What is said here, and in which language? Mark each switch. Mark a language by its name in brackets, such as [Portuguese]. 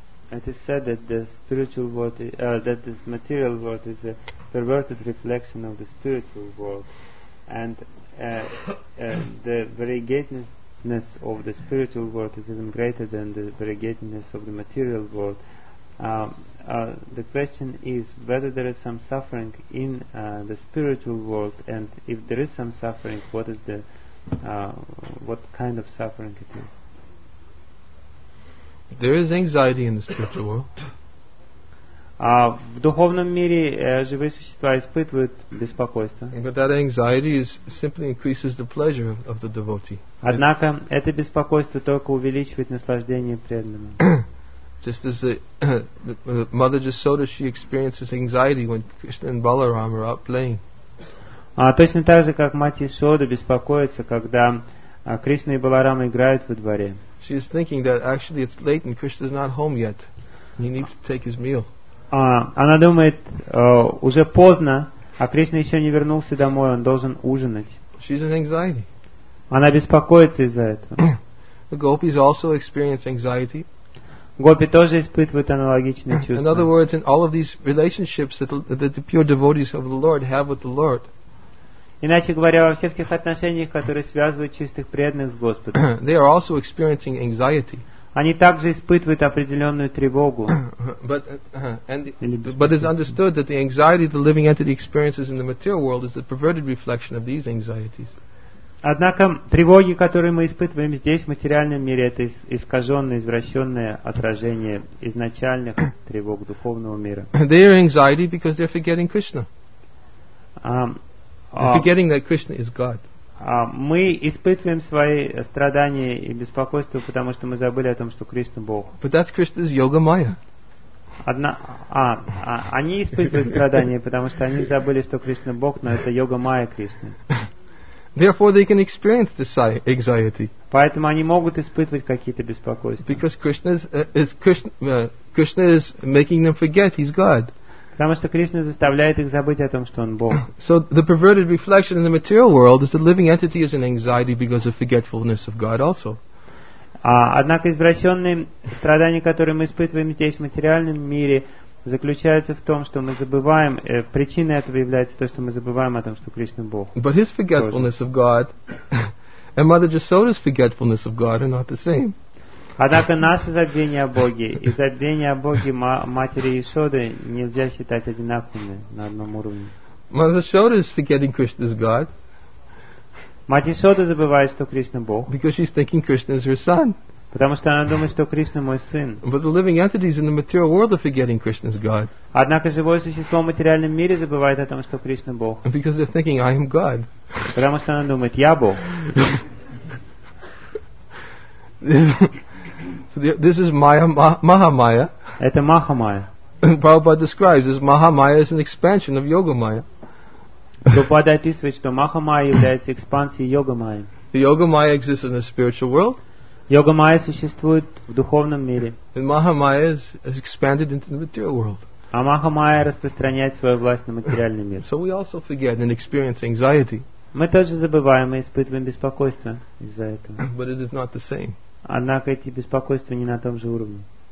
[English] It is said that the spiritual world, that this material world, is a perverted reflection of the spiritual world, and the variegatedness of the spiritual world is even greater than the variegatedness of the material world. The question is whether there is some suffering in the spiritual world, and if there is some suffering, what is the what kind of suffering it is? There is anxiety in the spiritual world. [Russian] В духовном мире живые существа испытывают беспокойство. [English] But that anxiety is simply increases the pleasure of the devotee. [Russian] Однако это беспокойство только увеличивает наслаждение преданного. [English] Just as the mother Yasoda, she experiences anxiety when Krishna and Balaram are out playing. [Russian] Точно так же, как мать Ясода беспокоится, когда Кришна и Баларама играют во дворе. [English] She is thinking that actually it's late and Krishna is not home yet. He needs to take his meal. [Russian] Она думает, уже поздно, а Кришна еще не вернулся домой, он должен ужинать. [English] She's in anxiety. [Russian] Она беспокоится из-за этого. [English] The gopis also experience anxiety. [Russian] Гопи тоже испытывают аналогичные чувства. [English] In other words, in all of these relationships that the pure devotees of the Lord have with the Lord. [Russian] Иначе говоря, во всех тех отношениях, которые связывают чистых преданных с Господом. [English] They are also experiencing anxiety. [Russian] Они также испытывают определенную тревогу. [English] But it's understood that the anxiety the living entity experiences in the material world is the perverted reflection of these anxieties. [Russian] Однако тревоги, которые мы испытываем здесь, в материальном мире, это искаженное, извращенное отражение изначальных тревог духовного мира. [English] They are anxiety because they're forgetting Krishna. Forgetting that Krishna is God. [Russian] Мы испытываем свои страдания и беспокойство, потому что мы забыли о том, что Кришна Бог. [English] But that's Krishna's yoga maya. [Russian] Они испытывают страдания, потому что они забыли, что Кришна Бог, но это йога майя Кришны. [English] Therefore, they can experience this anxiety. [Russian] Поэтому они могут испытывать какие-то беспокойства. [English] Because Krishna is making them forget he's God. [Russian] Потому что Кришна заставляет их забыть о том, что он Бог. [English] So the perverted reflection in the material world is the living entity is in anxiety because of forgetfulness of God also. [Russian] Однако извращенные страдания, которые мы испытываем здесь в материальном мире, заключаются в том, что мы забываем. Причиной этого является то, что мы забываем о том, что Кришна Бог. [English] But his forgetfulness of God and Mother Yasoda's forgetfulness of God are not the same. [Russian] Однако наше забвение о Боге и забвение о Боге матери Ясоды нельзя считать одинаковыми на одном уровне. [English] Mother Yasoda is forgetting Krishna's God. [Russian] Мать Ясода забывает, что Кришна Бог. [English] Because she's thinking Krishna is her son. [Russian] Потому что она думает, что Кришна мой сын. [English] But the living entities in the material world are forgetting Krishna's God. [Russian] Однако живое существо в материальном мире забывает о том, что Кришна Бог. [English] Because they're thinking I am God. [Russian] Потому что она думает, я Бог. [English] So this is Maya, Mahamaya. [Russian] Это Махамая. [English] Prabhupada describes this Mahamaya as an expansion of Yoga Maya. [Russian] Prabhupada описывает, что Махамая является экспансией Йога Майя. [English] Yogamaya exists in the spiritual world. [Russian] Йогамайя существует в духовном мире. [English] And Mahamaya has expanded into the material world. [Russian] А Махамайя распространяет свою власть на материальный мир. [English] So we also forget and experience anxiety. [Russian] Мы тоже забываем и испытываем беспокойство из-за этого. [English] But it is not the same. [Russian] Однако эти беспокойства не на том же уровне.